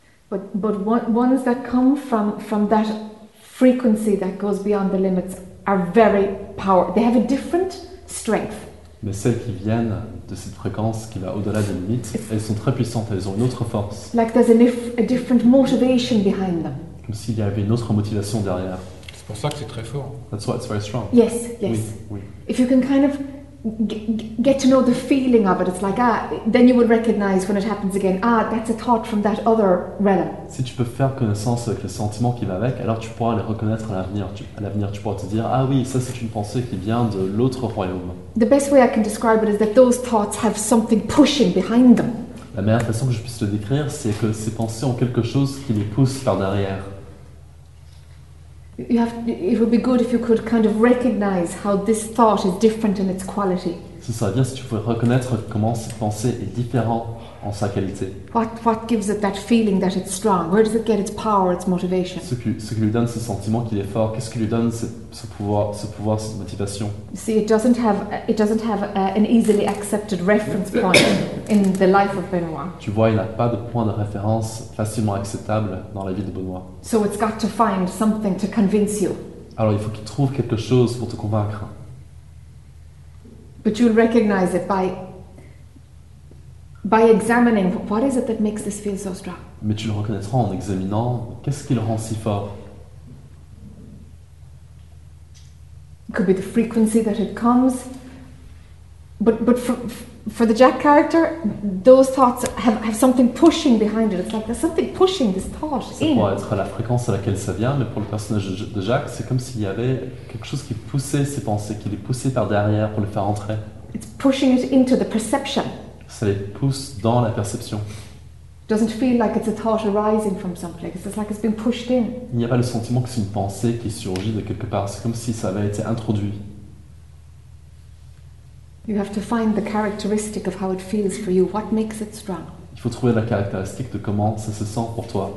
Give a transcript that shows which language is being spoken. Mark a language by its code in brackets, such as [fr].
[en] But ones that come from that frequency that goes beyond the limits are very powerful. They have a different strength. [fr] Mais celles qui viennent de cette fréquence qui va au-delà des limites, elles sont très puissantes, elles ont une autre force. [en] Like there's a different motivation behind them. [fr] Comme s'il y avait une autre motivation derrière. C'est pour ça que c'est très fort. [en] That's why it's very strong. Yes, yes. [fr] Oui, oui. [en] If you can kind of get to know the feeling of it, it's like, ah, then you will recognize when it happens again, ah, that's a thought from that other realm. [fr] Si tu peux faire connaissance avec le sentiment qui va avec, alors tu pourras les reconnaître à l'avenir. À l'avenir, tu pourras te dire, ah oui, ça c'est une pensée qui vient de l'autre royaume. [en] The best way I can describe it is that those thoughts have something pushing behind them. [fr] La meilleure façon que je puisse le décrire, c'est que ces pensées ont quelque chose qui les pousse par derrière. [en] You have, it would be good if you could kind of recognize how this thought is different in its quality. [fr] Ce serait bien si tu pouvais reconnaître comment cette pensée est différente en sa qualité. [en] What gives it that feeling that it's strong? Where does it get its power, its motivation? [fr] Ce qui lui donne ce sentiment qu'il est fort, qu'est-ce qui lui donne ce pouvoir, cette motivation? [en] You see, it doesn't have an easily accepted reference point in the life of Benoît. [fr] Tu vois, il n'a pas de point de référence facilement acceptable dans la vie de Benoît. [en] So it's got to find something to convince you. [fr] Alors il faut qu'il trouve quelque chose pour te convaincre. [en] But you'll recognize it by examining what is it that makes this feel so strong. [fr] Mais tu le reconnaîtras en examinant qu'est-ce qui le rend si fort. [en] It could be the frequency that it comes. But for the Jack character, those thoughts have something pushing behind it. It's like there's something pushing this thought. [fr] Ça pourrait être la fréquence à laquelle ça vient, mais pour le personnage de Jack, c'est comme s'il y avait quelque chose qui poussait ses pensées, qui les poussait par derrière pour les faire entrer. [en] It's pushing it into the perception. [fr] Ça les pousse dans la perception. [en] Doesn't feel like it's a thought arising from someplace. It's like it's been pushed in. [fr] Il n'y a pas le sentiment que c'est une pensée qui surgit de quelque part. C'est comme si ça avait été introduit. [en] You have to find the characteristic of how it feels for you. What makes it strong? [fr] Il faut trouver la caractéristique de comment ça se sent pour toi.